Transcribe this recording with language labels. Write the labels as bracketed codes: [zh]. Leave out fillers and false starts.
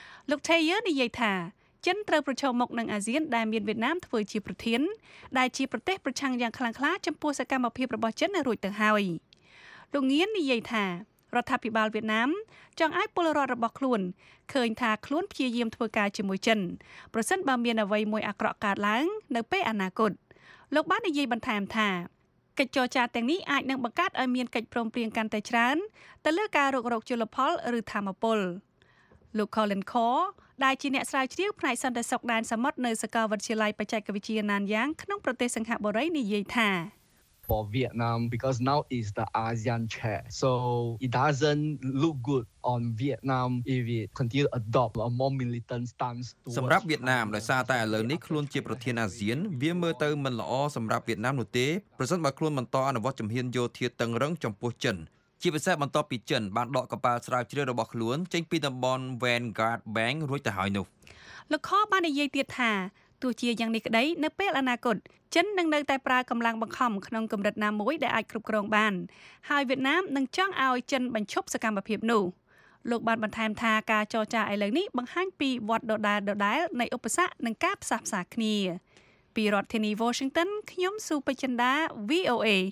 [km] លោក Thayer និយាយថាចិនត្រូវប្រឈមមុខនឹងអាស៊ានដែលមានវៀតណាមធ្វើជាប្រធានដែលជាប្រទេសប្រឆាំងយ៉ាងខ្លាំងក្លាចំពោះសកម្មភាពរបស់ចិននៅរួចទៅហើយលោកងៀននិយាយថារដ្ឋាភិបាលវៀតណាមចង់ឲ្យពលរដ្ឋរបស់ខ្លួនឃើញថាខ្លួនព្យាយាមធ្វើការជាមួយចិនប្រសិនបើមានអ្វីមួយអាក្រក់កើតឡើងនៅពេលអនាគតលោកបាននិយាយបន្ថែមថា កិច្ចចរចាទាំងនេះអាចនឹងបង្កើតឲ្យមានកិច្ចព្រមព្រៀងកាន់តែច្រើនទៅលើការរុករកជលផលឬធម្មពលលោក Colin Core ដែលជាអ្នកស្រាវជ្រាវផ្នែកសន្តិសុខដែនសមុទ្រនៅសាកលវិទ្យាល័យបច្ចេកវិទ្យាណានយ៉ាងក្នុងប្រទេសសិង្ហបុរីនិយាយថា [en] For Vietnam, because now is the ASEAN chair, so it doesn't look good on Vietnam if it continue adopt a more militant stance. [km] សម្រាប់វៀតណាមដោយសារតែឥឡូវនេះខ្លួនជាប្រធានអាស៊ានវាមើលទៅមិនល្អសម្រាប់វៀតណាមនោះទេប្រសិនបើខ្លួនបន្តអនុវត្តជំហានយោធាតឹងរ៉ឹងចំពោះចិនជាពិសេសបន្ទាប់ពីចិនបានដកកប៉ាល់ស្រាវជ្រាវរបស់ខ្លួនចេញពីតំបន់ Vanguard Bank រួចទៅហើយនោះ លោកខបាននិយាយទៀតថាទោះជាយ៉ាងនេះក្តីនៅពេលអនាគតចិននឹងនៅតែប្រើកម្លាំងបង្ខំក្នុងកម្រិតណាមួយដែលអាចគ្រប់គ្រងបានហើយវៀតណាមនឹងចង់ឲ្យចិនបញ្ឈប់សកម្មភាពនោះលោកបានបន្ថែមថាការចរចាឥឡូវនេះបង្ហាញពីវត្តដដែលនៃឧបសគ្គនិងការផ្សះផ្សាគ្នាពីរដ្ឋធានី Washington ខ្ញុំស៊ូបេចិនដា VOA